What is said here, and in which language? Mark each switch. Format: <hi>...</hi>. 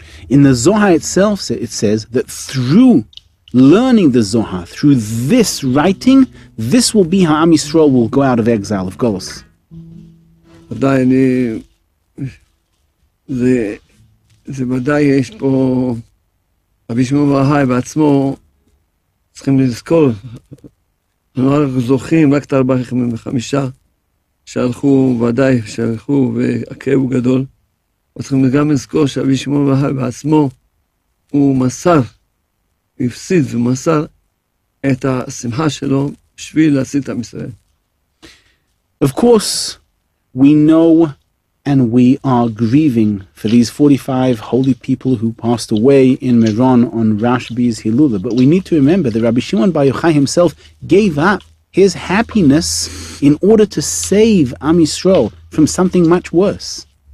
<en>In the Zohar itself, it says that through learning the Zohar, through this writing, this will be how Am Yisrael will go out of exile, of Golos.</en> <he>ודאי, אני, זה ודאי יש פה, אבי שמעון בר חי בעצמו, צריכים לזכור, אנחנו רק זוכים, רק את 45 שהלכו, ודאי שהלכו, והכאב הוא גדול, צריכים גם לזכור שאבי שמעון בר יוחאי בעצמו, הוא מסר, הפסיד ומסר את השמחה שלו בשביל להציל את עם ישראל.</he> <en>Of course, we know and we are grieving for these 45 holy people who passed away in Meron on Rashbi's Hilula, but we need to remember that Rabbi Shimon Bar Yochai himself gave up his happiness in order to save Am Yisrael from something much worse.</en>